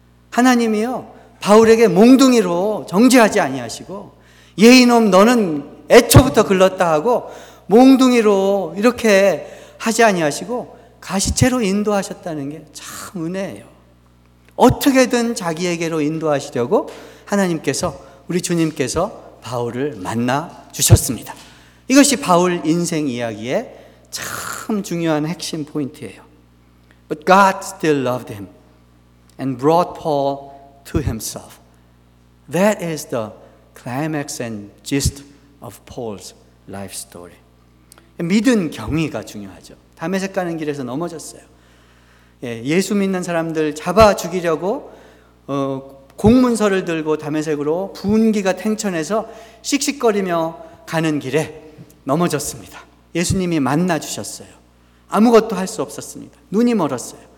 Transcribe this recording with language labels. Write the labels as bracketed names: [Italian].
[Korean] 하나님이요, 바울에게 몽둥이로 정죄하지 아니하시고, 예 이놈 너는 애초부터 글렀다 하고 몽둥이로 이렇게 하지 아니하시고 가시체로 인도하셨다는 게 참 은혜예요. 어떻게든 자기에게로 인도하시려고 하나님께서, 우리 주님께서 바울을 만나 주셨습니다. 이것이 바울 인생 이야기의 참 중요한 핵심 포인트예요. [English] But God still loved him and brought Paul to himself. That is the climax and gist of Paul's life story. [Korean] 믿은 경위가 중요하죠. 다메섹 가는 길에서 넘어졌어요. 예수 믿는 사람들 잡아 죽이려고 공문서를 들고 다메섹으로 분기가 탱천해서 씩씩거리며 가는 길에 넘어졌습니다. 예수님이 만나 주셨어요. 아무것도 할 수 없었습니다. 눈이 멀었어요.